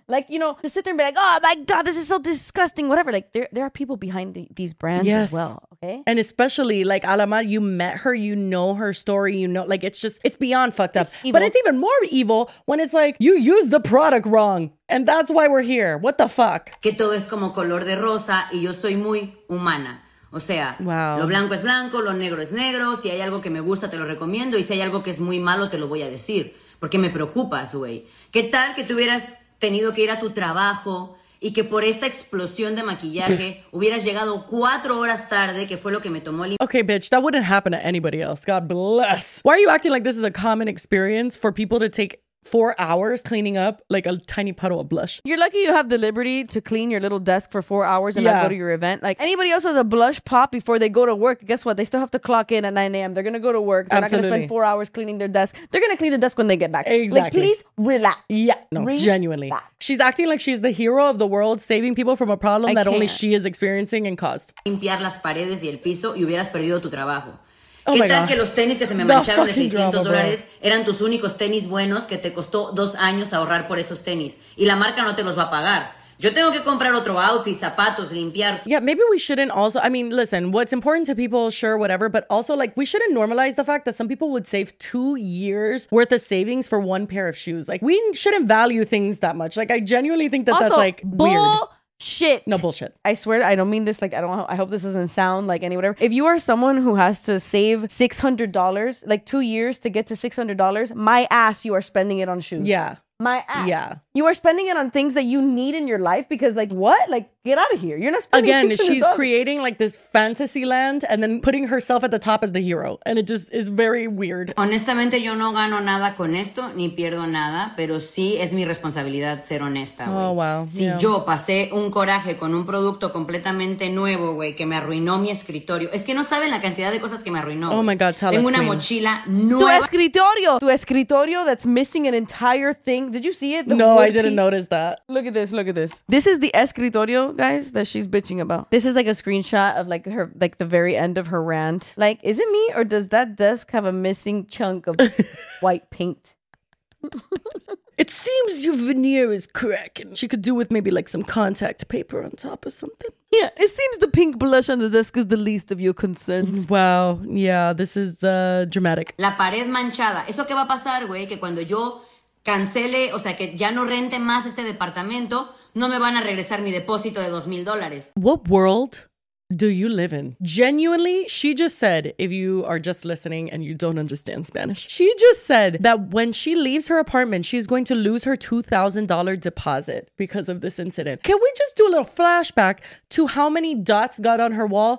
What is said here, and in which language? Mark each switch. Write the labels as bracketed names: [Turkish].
[English] Like, you know, to sit there and be like, oh my God, this is so disgusting. Whatever. Like, there are people behind these brands yes. as well. Okay. And especially like Alamar, you met her, you know her story. You know, like, it's just, it's beyond fucked up. It's but it's even more evil when it's like, you use the product wrong. And that's why we're here. What the fuck? [Spanish] Que todo es como color de rosa y yo soy muy humana. O sea, [English] wow. [Spanish] lo blanco es blanco, lo negro es negro. Si hay algo que me gusta, te lo recomiendo. Y si hay algo que es muy malo, te lo voy a decir. Porque me preocupas, güey. ¿Qué tal que tú hubieras tenido que ir a tu trabajo y que por esta explosión de maquillaje hubieras llegado 4 horas tarde, que fue lo que me tomó el... [English] Okay, bitch, that wouldn't happen to anybody else. God bless. Why are you acting like this is a common experience for people to take 4 hours cleaning up like a tiny puddle of blush? You're lucky you have the liberty to clean your little desk for 4 hours and yeah. not go to your event. Like, anybody else has a blush pop before they go to work, guess what? They still have to clock in at 9 a.m. They're gonna go to work. They're absolutely. Not gonna spend 4 hours cleaning their desk. They're gonna clean the desk when they get back. Exactly. Like, please relax. Yeah, no, relax. Genuinely. She's acting like she's the hero of the world, saving people from a problem I that can't. Only she is experiencing and caused. [Spanish] Limpiar las paredes y el piso y hubieras perdido tu trabajo. ¿Qué tal que los tenis que se me mancharon de $600 eran tus únicos tenis buenos que te costó 2 años ahorrar por esos tenis? Y la marca no te los va a pagar. Yo tengo que comprar otro outfit, zapatos, limpiar. [English] Yeah, maybe we shouldn't also, I mean, listen, what's important to people, sure, whatever, but also, like, we shouldn't normalize the fact that some people would save 2 years worth of savings for one pair of shoes. Like, we shouldn't value things that much. Like, I genuinely think that also, that's, like, weird. Shit. No bullshit. I swear, I don't mean this, like, I hope this doesn't sound like any whatever. If you are someone who has to save $600, like, 2 years to get to $600, my ass, you are spending it on shoes. Yeah. My ass. Yeah. You are spending it on things that you need in your life because, like, what? Like, get out of here. You're not spending again, she's creating, like, this fantasy land and then putting herself at the top as the hero. And it just is very weird. [Spanish] Honestamente, yo no gano nada con esto, ni pierdo nada, pero sí es mi responsabilidad ser honesta, güey. [English] Oh, wow. [Spanish] Si yeah. yo pasé un coraje con un producto completamente nuevo, güey, que me arruinó mi escritorio. Es que no saben la cantidad de cosas que me arruinó. [English] Oh, my God, tell [Spanish] Tengo [English] us, [Spanish] una [English] queen. [Spanish] Mochila nueva. Tu escritorio. Tu escritorio [English] that's missing an entire thing. Did you see it? The no, I didn't piece. Notice that. Look at this. Look at this. This is the escritorio. Guys, that she's bitching about. This is like a screenshot of like her, like the very end of her rant. Like, is it me or does that desk have a missing chunk of white paint? It seems your veneer is cracking. She could do with maybe like some contact paper on top or something. Yeah, it seems the pink blush on the desk is the least of your concerns. Wow. Yeah, this is dramatic. [Spanish] La pared manchada. ¿Eso qué va a pasar, güey? Que cuando yo cancele, o sea, que ya no rente más este departamento. No me van a regresar mi depósito de $2,000. [English] What world do you live in? Genuinely, she just said, if you are just listening and you don't understand Spanish, she just said that when she leaves her apartment, she's going to lose her $2,000 deposit because of this incident. Can we just do a little flashback to how many dots got on her wall?